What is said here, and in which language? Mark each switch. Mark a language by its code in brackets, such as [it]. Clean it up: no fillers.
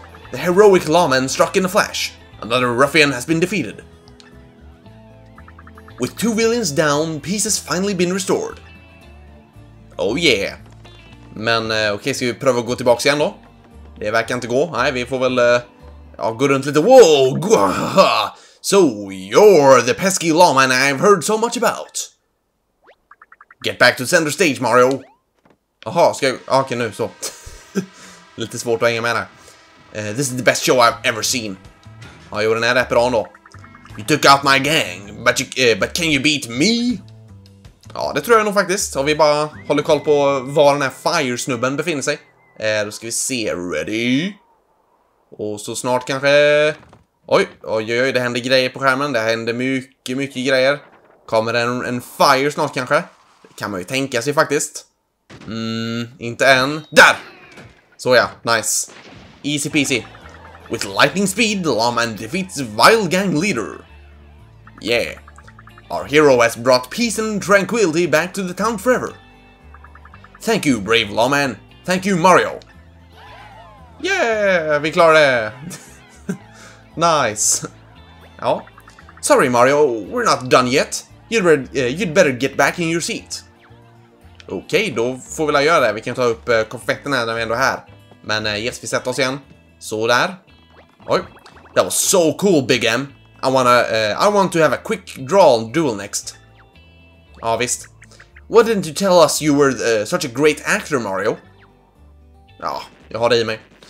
[en] The heroic lawman struck in a flash. Another ruffian has been defeated. With two villains down, peace has finally been restored. Oh yeah. [sv] Men okej, ska vi prova att gå tillbaka igen då? Det verkar inte gå. Nej, vi får väl gå runt lite. Whoa! Gwaha! [en] So, you're the pesky lawman I've heard so much about. Get back to center stage, Mario. [sv] Jaha, ska jag... Okej, nu så. Lite svårt att hänga med där. [en] This is the best show I've ever seen. [sv] Ja, jo, den är rätt bra då. [en] You took out my gang, but can you beat me? [sv] Ja, det tror jag nog faktiskt. Om vi bara håller koll på var den här Fire-snubben befinner sig. Då ska vi se. Ready? Och så snart kanske... Oj, det händer grejer på skärmen. Det händer mycket, mycket grejer. Kommer en Fire snart kanske? Det kan man ju tänka sig faktiskt. Inte än. Där! Så ja, nice. [en] Easy peasy. With lightning speed, lawman defeats vile gang leader. Yeah. Our hero has brought peace and tranquility back to the town forever. Thank you, brave lawman. Thank you, Mario. Yeah, [sv] vi klarar det. [en] Nice. Ja. Sorry, Mario. We're not done yet. You'd better get back in your seat. [sv] Okej, då får vi väl göra det. Vi kan ta upp konfetten när vi ändå är här. Men yes, vi sätter oss igen. Så där. Oj. [en] That was so cool, Big M. I want to have a quick draw duel next. [sv] Ja, visst. [en] Why didn't you tell us you were such a great actor, Mario? [sv] Ja, jag har det i mig.